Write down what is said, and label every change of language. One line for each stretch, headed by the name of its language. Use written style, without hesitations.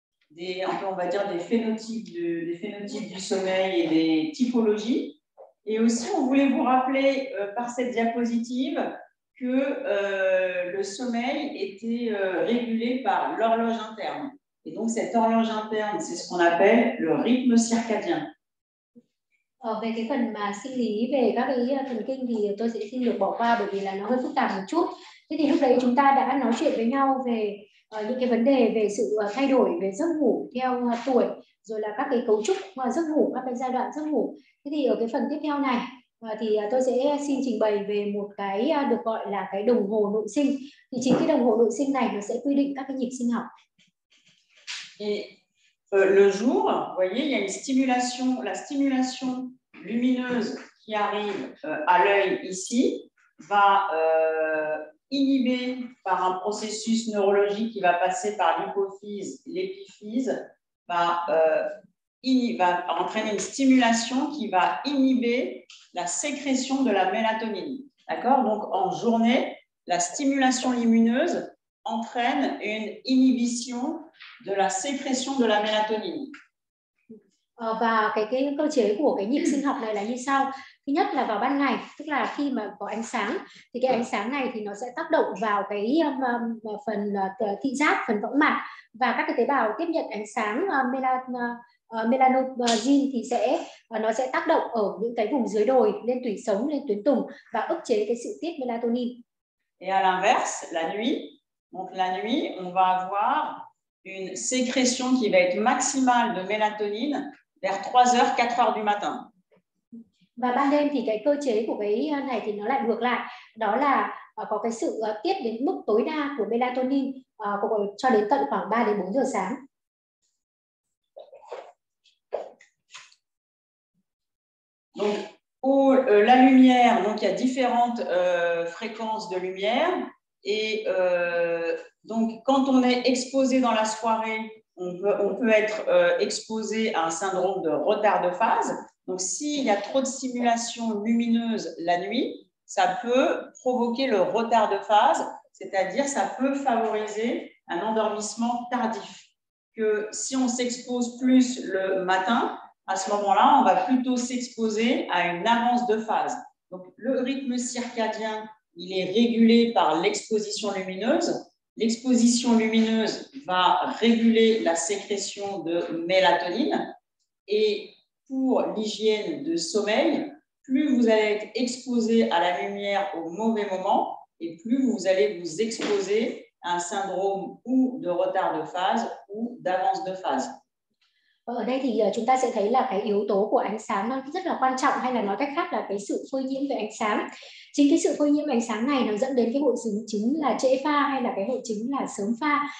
French: Des phénotypes du sommeil et des typologies. Et aussi, on voulait vous rappeler par cette diapositive que le sommeil était régulé par l'horloge interne. Et donc, cette horloge interne, c'est ce qu'on appelle le rythme circadien.
Vietnamese: Về cái phần mà sinh lý về các cái thần kinh thì tôi sẽ xin được bỏ qua bởi vì là nó hơi phức tạp một chút. Thế thì lúc đấy chúng ta đã nói chuyện với nhau về những cái vấn đề về sự thay đổi về giấc ngủ theo tuổi, rồi là các cái cấu trúc giấc ngủ, các cái giai đoạn giấc ngủ. Thế thì ở cái phần tiếp theo này thì tôi sẽ xin trình bày về một cái được gọi là cái đồng hồ nội sinh. Thì chính cái đồng hồ nội sinh này nó sẽ quy định các cái nhịp sinh học.
French: Le jour, vous voyez, il y a une stimulation, la stimulation lumineuse qui arrive à l'œil ici va inhiber par un processus neurologique qui va passer par l'hypophyse, l'épiphyse, va entraîner une stimulation qui va inhiber la sécrétion de la mélatonine. D'accord ? Donc en journée, la stimulation lumineuse entraîne une inhibition de la sécrétion de la mélatonine.
Vietnamese: Và cái cơ chế của cái nhịp sinh học này là như sau. Thứ nhất là vào ban ngày, tức là khi mà có ánh sáng, thì cái ánh sáng này thì nó sẽ tác động vào cái phần thị giác, phần võng mạc và các cái tế bào tiếp nhận ánh sáng melanogen thì sẽ nó sẽ tác động ở những cái vùng dưới đồi, lên tủy sống, lên tuyến tùng và ức chế cái sự tiết melatonin.
French: Et à l'inverse, la nuit. Donc la nuit, on va avoir une sécrétion qui va être maximale de mélatonine vers 3h, 4h du matin.
Vietnamese: Và ban đêm thì cái cơ chế của cái này thì nó lại ngược lại. Đó là có cái sự tiết đến mức tối đa của mélatonine cho đến tận khoảng 3 đến 4 giờ sáng.
French: Donc, la lumière, donc il y a différentes fréquences de lumière. Et donc, quand on est exposé dans la soirée, on peut être exposé à un syndrome de retard de phase. Donc, s'il y a trop de stimulation lumineuse la nuit, ça peut provoquer le retard de phase, c'est-à-dire ça peut favoriser un endormissement tardif. Que si on s'expose plus le matin, à ce moment-là, on va plutôt s'exposer à une avance de phase. Donc, le rythme circadien, il est régulé par l'exposition lumineuse. L'exposition lumineuse va réguler la sécrétion de mélatonine. Et pour l'hygiène de sommeil, plus vous allez être exposé à la lumière au mauvais moment et plus vous allez vous exposer à un syndrome ou de retard de phase ou d'avance de phase.
Vietnamese: Ở đây thì chúng ta sẽ thấy là cái yếu tố của ánh sáng nó rất là quan trọng, hay là nói cách khác là cái sự phơi nhiễm về ánh sáng. Chính cái sự phơi nhiễm ánh sáng này nó dẫn đến cái hội chứng là trễ pha hay là cái hội chứng là sớm pha.